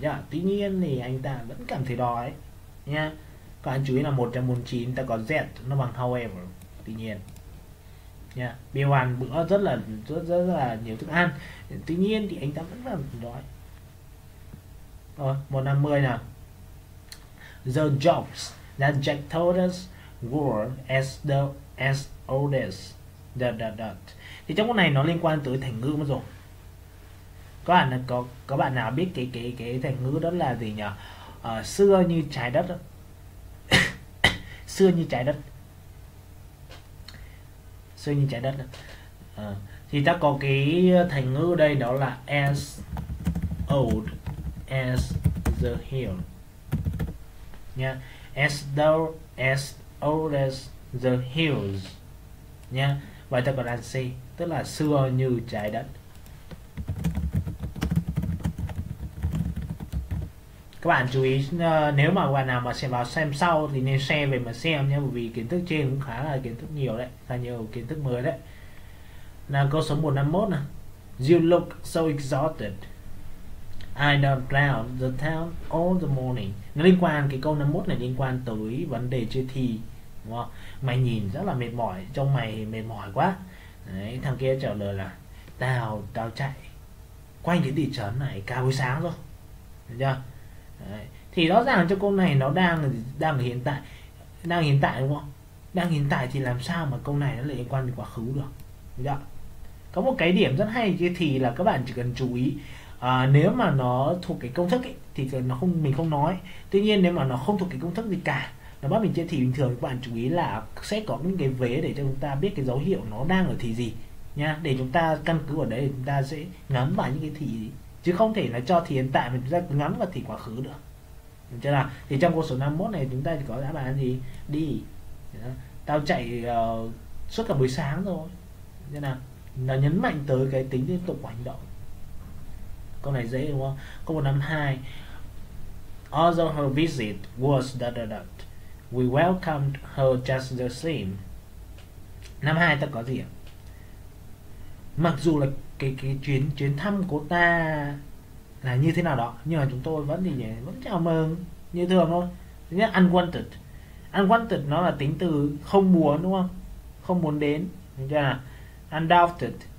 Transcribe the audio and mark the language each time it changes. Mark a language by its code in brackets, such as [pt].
[vi] Tuy nhiên thì anh ta vẫn cảm thấy đói nha. Các bạn chú ý là 149 ta có Z nó bằng however. Tuy nhiên nha. Bill ăn bữa rất là nhiều thức ăn. Tuy nhiên thì anh ta vẫn cảm thấy đói. Rồi, 150 nào. [en] The jokes that Jack told us were as old as the. [vi] Thì trong cái này nó liên quan tới thành ngữ mất rồi. Có bạn nào biết cái thành ngữ đó là gì nhỉ? Xưa như trái đất đó. Xưa như trái đất. Xưa như trái đất đó. Thì ta có cái thành ngữ đây đó là [en] as old as the hill. Nha, as though as old as the hills nha. [vi] Vậy ta còn là C, tức là xưa như trái đất. Các bạn chú ý, nếu mà bạn nào mà sẽ vào xem sau thì nên share về mà xem nhé, bởi vì kiến thức trên cũng khá là kiến thức nhiều đấy, khá nhiều kiến thức mới đấy. Nào, câu số 151 nè. [en] You look so exhausted. I don't plow the town all the morning. [vi] Nó liên quan, cái câu 51 này liên quan tới vấn đề chơi thi, đúng không? Mày nhìn rất là mệt mỏi, trông mày mệt mỏi quá. Đấy, thằng kia trả lời là tao chạy quanh cái thị trấn này cả buổi sáng rồi. Được chưa? Đấy. Thì rõ ràng cho câu này nó đang hiện tại. Đang hiện tại đúng không? Đang hiện tại thì làm sao mà câu này nó lại liên quan đến quá khứ được? Được chưa? Có một cái điểm rất hay chơi thi là các bạn chỉ cần chú ý. Nếu mà nó thuộc cái công thức ấy, thì nó không mình không nói. Tuy nhiên nếu mà nó không thuộc cái công thức gì cả, nó bắt mình chơi thì bình thường, các bạn chú ý là sẽ có những cái vế để cho chúng ta biết cái dấu hiệu nó đang ở thì gì nha, để chúng ta căn cứ ở đấy chúng ta sẽ ngắm vào những cái thì gì. Chứ không thể là cho thì hiện tại mà chúng ta ngắm vào thì quá khứ được. Được chưa nào? Thì trong câu số 51 này chúng ta chỉ có đáp án gì? Đi. Tao chạy suốt cả buổi sáng rồi. Thế nào? Nó nhấn mạnh tới cái tính liên tục của hành động. Câu này dễ đúng không? Câu 152. [en] Although her visit was we welcomed her just the same. [vi] 52 ta có gì ạ? Mặc dù là cái chuyến chuyến thăm của ta là như thế nào đó, nhưng mà chúng tôi vẫn thì nhỉ, vẫn chào mừng như thường thôi. Thứ nhất, unwanted. Unwanted nó là tính từ không muốn đúng không? Không muốn đến, đúng chưa nào? Undoubted.